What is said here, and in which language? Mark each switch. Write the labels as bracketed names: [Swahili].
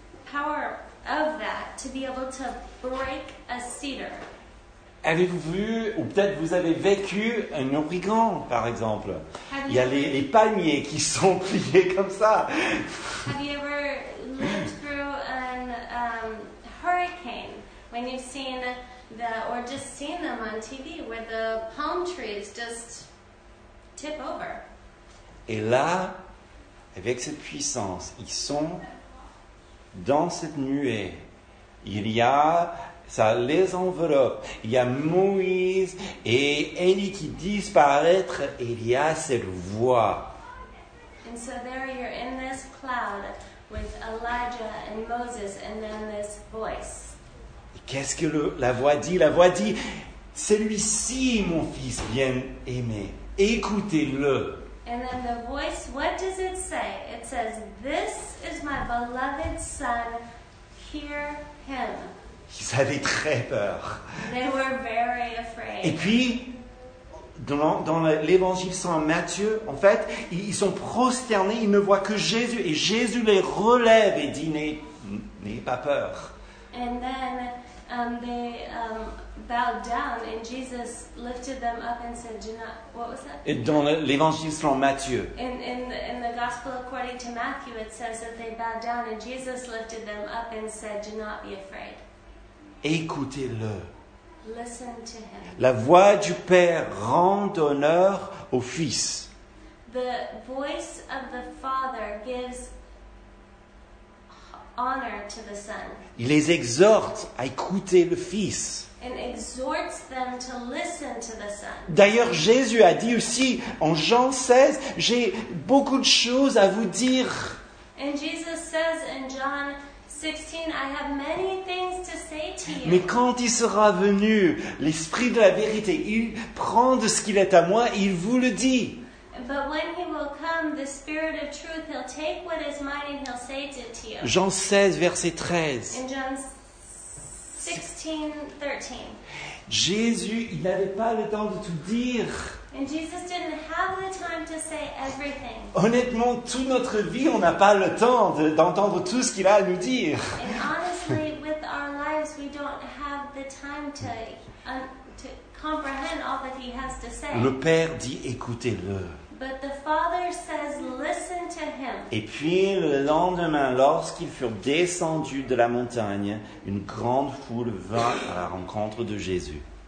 [English] Power of that to be able to break a cedar. [French] Avez-vous vu, ou peut-être vous avez vécu un ouragan, par exemple? Il y a les palmiers qui sont pliés comme ça. [English] Have you ever lived through an hurricane when you've seen the or just seen them on TV where the palm trees just tip over? [French] Et là, avec cette puissance, ils sont dans cette nuée, il y a, ça les enveloppe, il y a Moïse et Élie qui disparaissent, et il y a cette voix. [English] And so there you're in this cloud with Elijah and Moses and then this voice. [French] Et qu'est-ce que la voix dit? La voix dit, celui-ci mon fils bien aimé, écoutez-le. [English] And then the voice, what does it say? It says, this is my beloved son, hear him. [French] Ils avaient très peur. [English] They were very afraid. [French] Et puis, dans l'évangile saint Matthieu, en fait, ils sont prosternés, ils ne voient que Jésus. Et Jésus les relève et dit, n'ayez pas peur. [English] And then they bowed down and Jesus lifted them up and said, "Do not." What was that? [French] Et dans l'évangile selon Matthieu. [English] In the gospel according to Matthew, it says that they bowed down and Jesus lifted them up and said, "Do not be afraid." [French] Écoutez-le. [English] Listen to him. [French] La voix du Père rend honneur au Fils. [English] The voice of the Father gives honor to the Son. [French] Il les exhorte à écouter le Fils. [English] And exhorts them to listen to the Son. [French] D'ailleurs, Jésus a dit aussi en Jean 16, j'ai beaucoup de choses à vous dire. [English] And Jesus says in John 16, I have many things to say to you. [French] Mais quand il sera venu, l'Esprit de la vérité, il prend de ce qu'il est à moi, il vous le dit. [English] But when he will come, the Spirit of truth, he'll take what is mine and he'll say it to you. [French] Jean 16, verset 13. [English] In John 16, 13. [French] Jésus, il n'avait pas le temps de tout dire. [English] And Jesus didn't have the time to say everything. [French] Honnêtement, toute notre vie, on n'a pas le temps d'entendre tout ce qu'il a à nous dire. [English] And honestly, with the time to to comprehend all that he has to say. [French] Le Père dit écoutez-le. [English] But the Father says listen to him. [French] Et puis le lendemain, lorsqu'ils furent descendus de la montagne, une grande foule vint à la rencontre de Jésus.